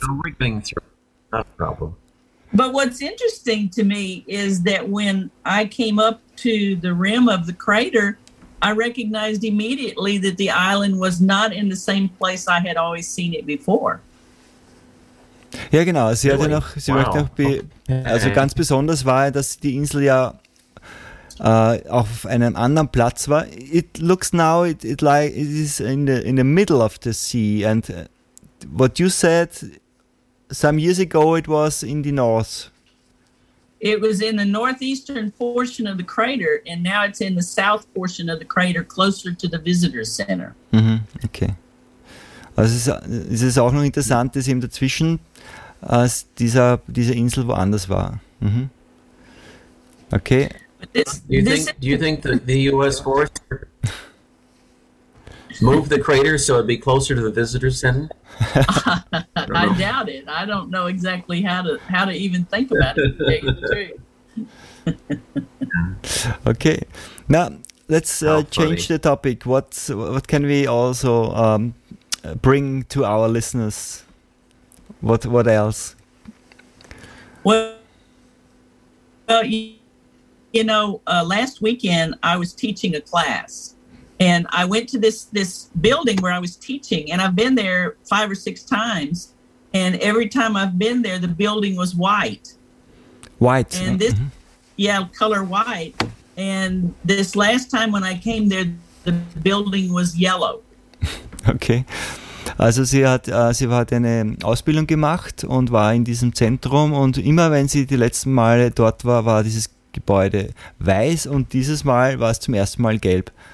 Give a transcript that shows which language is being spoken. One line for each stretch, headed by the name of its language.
English: I'm ripping through. Not a problem. But what's interesting to me is that when I came up to the rim of the crater, I recognized immediately that the island was not in the same place I had always seen it before.
German: Ja, genau. Sie hatte noch, sie möchte noch also ganz besonders war, dass die Insel ja auf einem anderen Platz war.
English: It looks now it is in the middle of the sea, and what you said some years ago, it was in the north. It was in the northeastern portion of the crater, and now it's in the south portion of the crater, closer to the visitor center. Mm-hmm. Okay.
German: Also es ist auch noch interessant, dass eben dazwischen diese Insel woanders war.
English: Mm-hmm. Okay. Do you think the U.S. Forest move the crater so it'd be closer to the visitor center? I doubt it. I don't know exactly how to even think about it. Okay. Now let's change the topic. What can we also bring to our listeners? What else? You know, last weekend I was teaching a class, and I went to this building where I was teaching, and I've been there five or six times, and every time I've been there, the building was white. White. And this, color white. And this last time when I came there, the building was yellow. Okay.
German: Also sie hat eine Ausbildung gemacht und war in diesem Zentrum, und immer wenn sie die letzten Male dort war, war dieses Gebäude weiß, und dieses Mal war es zum ersten Mal gelb.